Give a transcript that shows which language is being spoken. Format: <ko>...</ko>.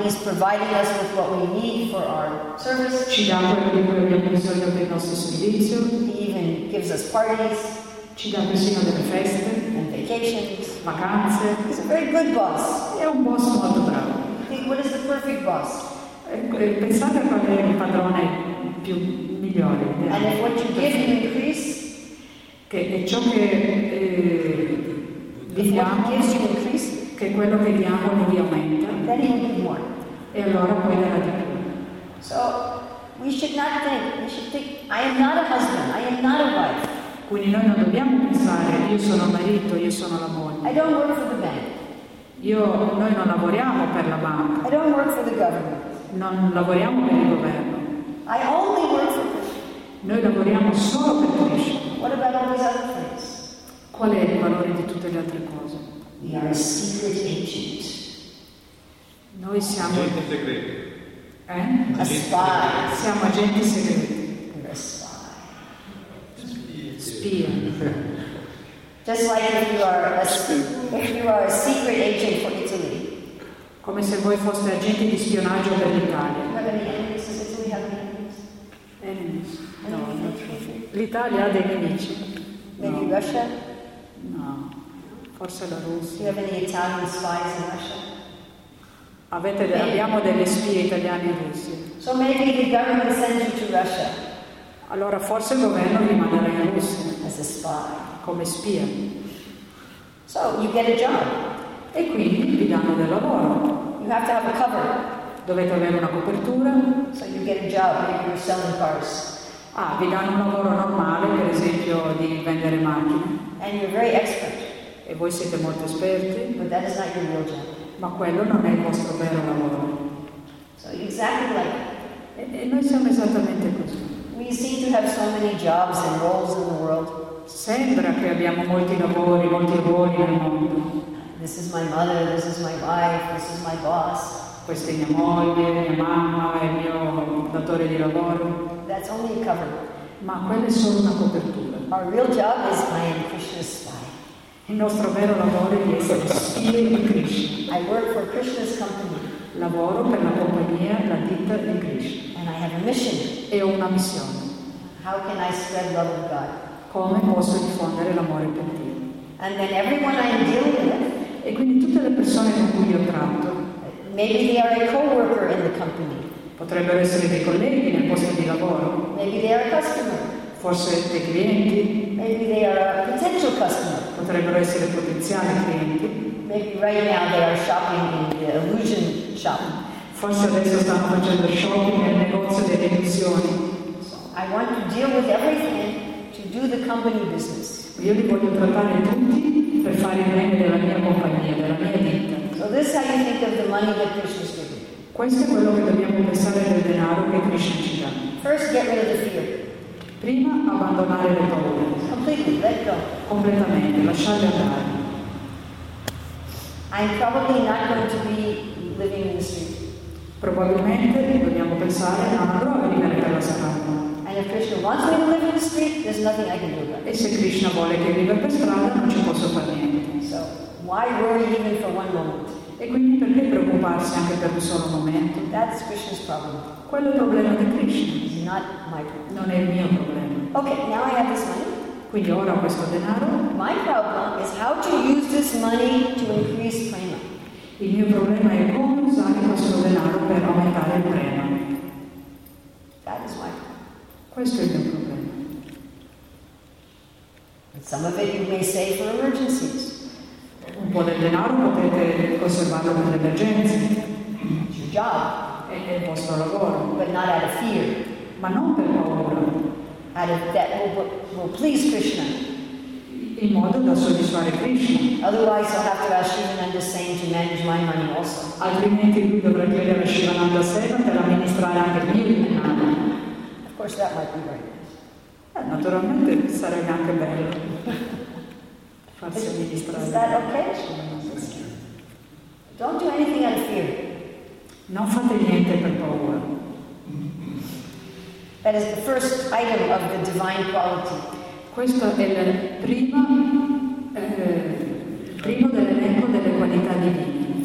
<en>He's providing us with what we need for our service.</en> <it>Ci dà quello di cui abbiamo bisogno per il nostro servizio.</it> <en>He even gives us parties.</en> <it>Ci dà persino delle feste.</it> <en>And vacations.</en> <it>Vacanze.</it> <en>He's a very good boss.</en> <it>È un boss molto bravo.</it> <en>Think, what is the perfect boss?</en> <it>Pensate a qual è il padrone più migliore.</it> <en>And if what you give him increase.</en> <it>Che è ciò che diamo, che quello che diamo non vi aumenta, e allora poi darà di più.</it> <en>So we should not think, I am not a husband, I am not a wife.</en> <it>Quindi noi non dobbiamo pensare, io sono marito, io sono la moglie.</it> <en>I don't work for the bank.</en> <it>Noi non lavoriamo per la banca.</it> <en>I don't work for the government.</en> <it>Non lavoriamo per il governo.</it> <en>I only work for.</en> <it>Noi lavoriamo solo per Krishna.</it> <en>What about all these other things?</en> <it>Qual è il valore di tutte le altre cose?</it> <en>We are a secret agent.</en> <it>Noi siamo agenti segreti.</it> <en>A spy.</en> <it>Siamo agenti segreti.</it> <en>We're a spy. Spy. Just like if you are a secret agent for Italy.</en> <it>Come se voi foste agenti di spionaggio per l'Italia.</it> <en>Do you have any enemies in Italy? Have any enemies? Enemies.</en> <it>l'Italia ha dei nemici.</it> <en>Maybe Russia?</en> <it>No, forse la Russia.</it> <en>Do you have any Italian spies in Russia?</en> <it>Abbiamo delle spie italiane in Russia.</it> <en>So maybe the government sends you to Russia.</en> <it>Allora forse il governo vi manderà in Russia.</it> <en>As a spy.</en> <it>Come spia.</it> <en>So you get a job.</en> <it>E quindi vi danno del lavoro.</it> <en>You have to have a cover.</en> <it>Dovete avere una copertura.</it> <en>So you get a job if you're selling cars.</en> <it>Ah, vi danno un lavoro normale, per esempio di vendere macchine.</it> <en>And you're very expert.</en> <it>E voi siete molto esperti.</it> <en>But that is not your real job.</en> <it>Ma quello non è il vostro vero lavoro.</it> <en>So exactly like.</en> <it>E noi siamo esattamente così.</it> <en>We seem to have so many jobs and roles in the world.</en> <it>Sembra che abbiamo molti lavori, molti ruoli nel mondo.</it> <en>This is my mother, this is my wife, this is my boss.</en> <it>Questa è mia moglie, mia mamma, è il mio datore di lavoro.</it> <en>That's only a cover.</en> <it>Ma quella è solo una copertura.</it> <en>Our real job is I am Krishna's spy.</en> <it>Il nostro vero lavoro è essere spia di Krishna.</it> <en>I work for Krishna's company.</en> <it>Lavoro per la compagnia, la ditta di Krishna.</it> <en>And I have a mission.</en> <it>E ho una missione.</it> <en>How can I spread love of God?</en> <it>Come posso diffondere l'amore per Dio?</it> <en>And then everyone I'm dealing with.</en> <it>E quindi tutte le persone con cui io tratto.</it> <en>Maybe they are a co-worker in the company.</en> <it>Potrebbero essere dei colleghi nel posto di lavoro.</it> <en>Maybe they are a customer.</en> <it>Forse dei clienti.</it> <en>Maybe they are a potential customer.</en> <it>Potrebbero essere potenziali clienti.</it> <en>Maybe right now they are shopping in the illusion shop.</en> <it>Forse adesso stanno facendo shopping nel negozio delle illusioni.</it> <en>I want to deal with everything to do the company business.</en> <it>Io li voglio trattare tutti per fare il bene della mia compagnia, della mia ditta.</it> <en>So this is how you think of the money that Krishna is giving.</en> <it>Questo è quello che dobbiamo pensare del denaro che Krishna ci dà.</it> <en>First, get rid of the fear.</en> <it>Prima, abbandonare le paure.</it> <en>Completely, let go.</en> <it>Completamente, lasciate andare.</it> <en>I'm probably not going to be living in the street.</en> <it>Probabilmente dobbiamo pensare a una prova di vivere per la strada.</it> <en>And if Krishna wants me to live in the street, there's nothing I can do about it.</en> <it>E se Krishna vuole che viva per strada, non ci posso fare niente.</it> <en>So, why worry even for one moment?</en> <it>E quindi perché preoccuparsi anche per un solo momento?</it> <en>That's Krishna's problem.</en> <it>Quello è il problema di Krishna.</it> <en>It's not my problem.</en> <it>Non è il mio problema.</it> <en>Okay, now I have this money.</en> <it>Quindi ora ho questo denaro.</it> <en>My problem is how to use this money to increase prema.</en> <it>Il mio problema è come usare questo denaro per aumentare il prema.</it> <en>That is my problem.</en> <it>Questo è il mio problema.</it> <en>Some of it you may save for emergencies.</en> <it>Un po' del denaro potete conservarlo per le emergenze.</it> <en>It's your job.</en> <it>È il vostro lavoro.</it> <en>But not out of fear.</en> <it>Ma non per paura.</it> <en>Out of that will please Krishna.</en> <it>In modo da soddisfare Krishna.</it> <en>Otherwise I'll have to ask Shivananda Sen to manage my money also.</en> <it>Altrimenti lui dovrà chiedere a Shivananda Sen per amministrare anche il mio denaro.</it> <en>Of course that might be very nice.</en> <it>Naturalmente sarebbe anche bello farsi amministrare.</it> <en>Is that okay? Don't do anything out of fear.</en> <it>Non fate niente per paura.</it> <en>That is the first item of the divine quality.</en> <it>Questo è il primo dell'elenco delle qualità divine.</it>